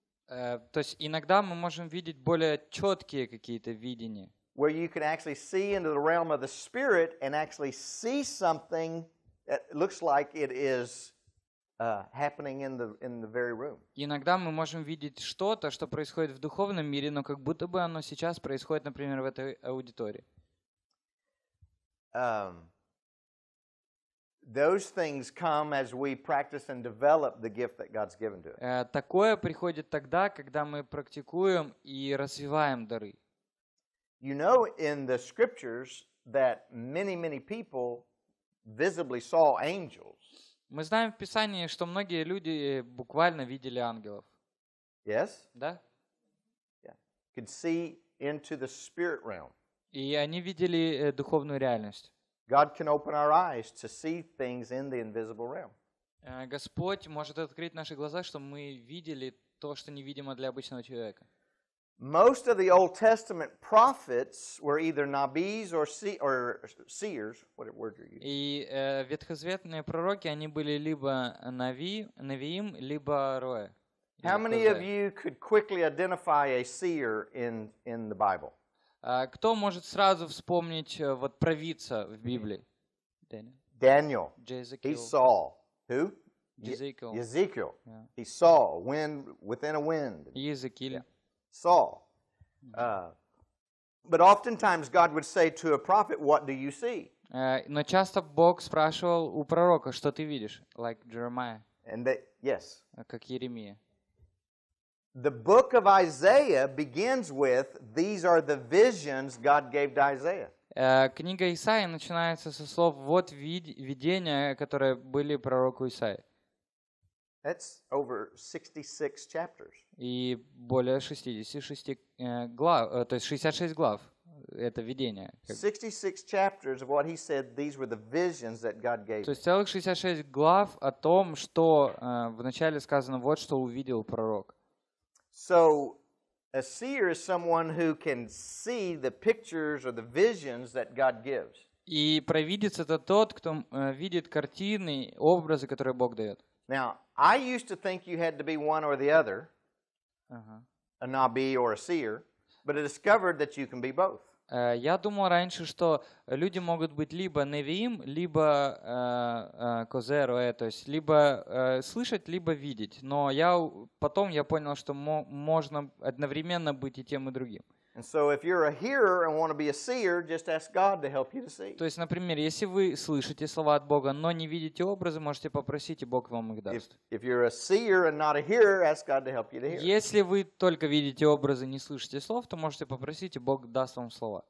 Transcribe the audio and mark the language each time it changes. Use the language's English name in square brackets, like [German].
[Russian] То есть иногда мы можем видеть более четкие какие-то видения. [English] Where you can actually see into the realm of the spirit and actually see something that looks like it is happening in the very room. [Russian] Иногда мы можем видеть что-то, что происходит в духовном мире, но как будто бы оно сейчас происходит, например, в этой аудитории. [English] Those things come as we practice and develop the gift that God's given to us. [Russian] Такое приходит тогда, когда мы практикуем и развиваем дары. [English] You know in the scriptures that many, many people visibly saw angels. [Russian] Мы знаем в Писании, что многие люди буквально видели ангелов. [English] Yes? [Russian] Да? [English] Yeah. Could see into the spirit realm. [Russian] И они видели духовную реальность. [English] God can open our eyes to see things in the invisible realm. [Russian] Господь может открыть наши глаза, чтобы мы видели то, что невидимо для обычного человека. [English] Most of the Old Testament prophets were either nabis or seers. What word are you? [Russian] И ветхозаветные пророки, они были либо навиим, либо роэ. [English] How many of you could quickly identify a seer in the Bible? [Russian] Кто может сразу вспомнить вот провидца в Библии? [English] Daniel. Jezekiel. He saw. Who? Ezekiel. Yeah. He saw wind within a wind. Ezekiel. Yeah. Saw. But oftentimes God would say to a prophet, "What do you see?" [Russian] Но часто Бог спрашивал у пророка, что ты видишь? [English] Like Jeremiah. And they, yes. [Russian] Как Иеремия. [English] The book of Isaiah begins with these are the visions God gave to Isaiah. [Russian] Книга Исаии начинается со слов вот видения, которые были пророку Исаии. [English] That's over 66 chapters. [Russian] И более 66 глав, то есть 66 глав это видение. [English] 66 chapters of what he said these were the visions that God gave. [Russian] То есть целых 66 глав о том, что вначале сказано вот что увидел пророк. [English] So A seer is someone who can see the pictures or the visions that God gives. [Russian] И провидец — это тот, кто видит картины, образы, которые Бог дает. [English] Now, I used to think you had to be one or the other, a nabi or a seer, but I discovered that you can be both. [Russian] Я думал раньше, что люди могут быть либо невиим, либо козеро, то есть либо слышать, либо видеть. Но я потом я понял, что можно одновременно быть и тем, и другим. [English] And so if you're a hearer and want to be a seer, just ask God to help you to see. [Russian] То есть, например, если вы слышите слова от Бога, но не видите образы, можете попросить, и Бог вам их даст. [English] If you're a seer and not a hearer, ask God to help you to hear. [Russian] Если вы только видите образы, не слышите слов, то можете попросить, и Бог даст вам слова.